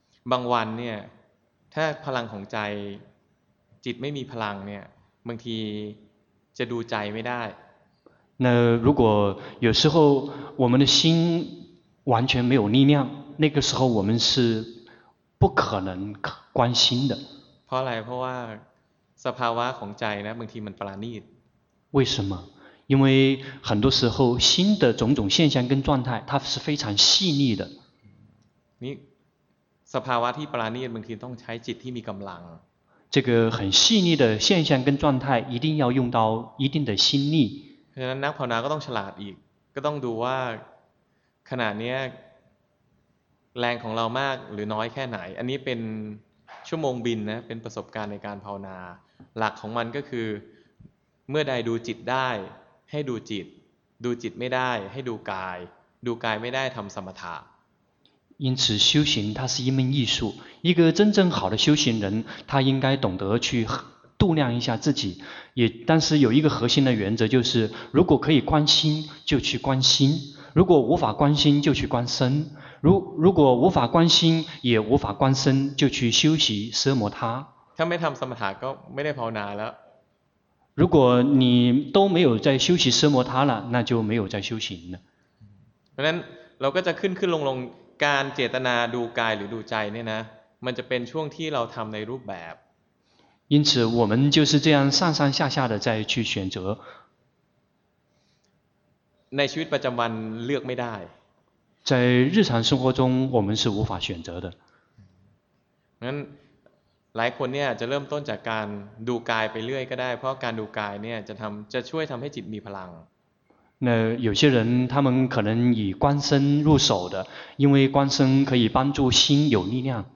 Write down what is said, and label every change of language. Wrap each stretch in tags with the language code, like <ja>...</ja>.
<th>บางวันเนี่ยถ้าพลังของใจจิตไม่มีพลังเนี่ยบางทีจะดูใจไม่ได้</th> <zh>那如果有时候我们的心完全没有力量那个时候我们是不可能关心的</zh> <th>เพราะอะไรเพราะว่าสภาวะของใจนะบางทีมันปราณีต</th> <zh>为什么因为很多时候心的种种现象跟状态它是非常细腻的你</zh> <th>สภาวะที่ปราณีตบางทีต้องใช้จิตที่มีกำลัง</th> <zh>这个很细腻的现象跟状态一定要用到一定的心力</zh> <th>เพราะฉะนั้นนักภาวนาก็ต้องฉลาดอีกก็ต้องดูว่าขนาดนี้แรงของเรามากหรือน้อยแค่ไหนอันนี้เป็นชั่วโมงบินนะเป็นประสบการณ์ในการภาวนาหลักของมันก็คือเมื่อใดดูจิตได้ให้ดูจิตดูจิตไม่ได้ให้ดูกายดูกายไม่ได้ทำสมถะ</th> <zh>因此修行它是一门艺术，一个真正好的修行人他应该懂得去度量一下自己，也但是有一个核心的原则，就是如果可以观心就去观心，如果无法观心就去观身，如果无法观心也无法观身，就去修习奢摩他。</zh> <th>ถ้าไม่ทำสมถะก็ไม่ได้ภาวนาแล้ว</th> <zh>如果你都没有在修习奢摩他了，那就没有在修行了。</zh> <th>เพราะนั้นเราก็จะขึ้นลงการเจตนาดูกายหรือดูใจเนี่ยนะมันจะเป็นช่วงที่เราทำในรูปแบบ</th> <zh>因此我们就是这样上上下下的再去选择</zh> <th>ในชีวิตประจำวันเลือกไม่ได้</th> <zh>在日常生活中我们是无法选择的</zh> <th>งั้นหลายคนเนี่ยจะเริ่มต้นจากการดูกายไปเรื่อยก็ได้เพราะการดูกายเนี่ยจะช่วยทำให้จิตมีพลัง</th> <zh>那有些人他们可能以观身入手的，因为观身可以帮助心有力量。</zh>